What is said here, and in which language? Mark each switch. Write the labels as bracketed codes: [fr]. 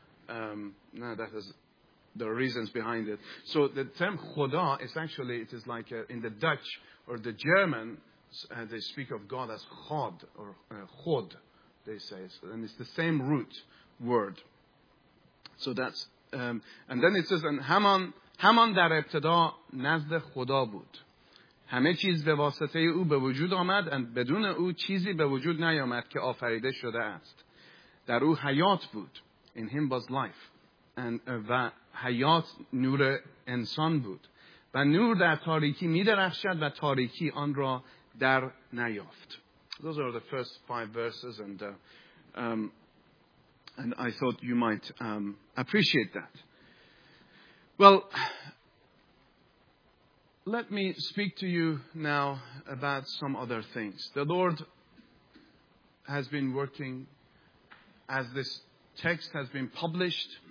[en] Now that is, there are reasons behind it. So the term Khoda is actually, it is like in the Dutch or the German, they speak of God as God or God, they say. And it's the same root word. So that's, and then it says, and Haman [fa] در ابتدا نزد خدا بود. همه چیز به واسطه او به وجود آمد و بدون او چیزی به وجود نیامد که آفریده شده است. در او حیات بود. [en] In him was life. [fa] And و حیات نور انسان بود. و نور در تاریکی می درخشد و تاریکی آن را در نیافت. [en] Those are the first five verses and I thought you might appreciate that. Well, let me speak to you now about some other things. The Lord has been working as this text has been published.